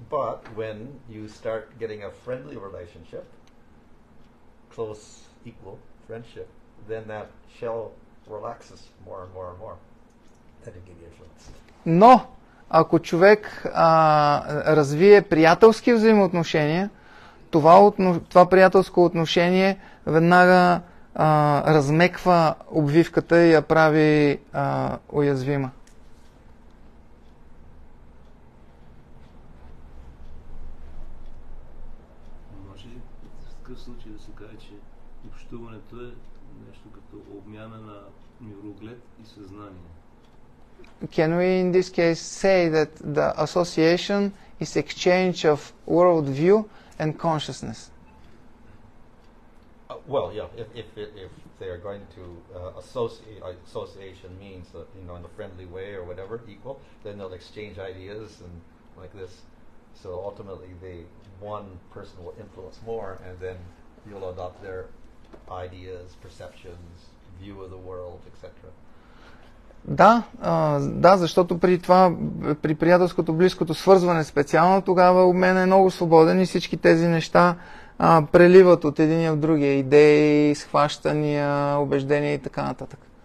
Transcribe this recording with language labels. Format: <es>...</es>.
<en>But when you start getting a friendly relationship, close, equal friendship, then that shell relaxes more and more and more. That can get influenced.</en> <bg>Но ако човек развие приятелски взаимоотношения, това приятелско отношение веднага размеква обвивката и я прави уязвима. Може ли в такъв случай да се каже, че общуването е нещо като обмяна на мироглед и съзнание?</bg> <en>Can we in this case say that the association is exchange of world view and consciousness? Well, yeah, if they are going to associate, association means that, you know, in a friendly way or whatever, equal, then they'll exchange ideas and like this. So ultimately, the one person will influence more and then you'll adopt their ideas, perceptions, view of the world, etc.</en> <bg>Да, да, защото при това, при приятелското, близкото свързване специално, тогава обменът е много свободен и всички тези неща преливат от единия в другия. Идеи, схващания, убеждения и така нататък.</bg>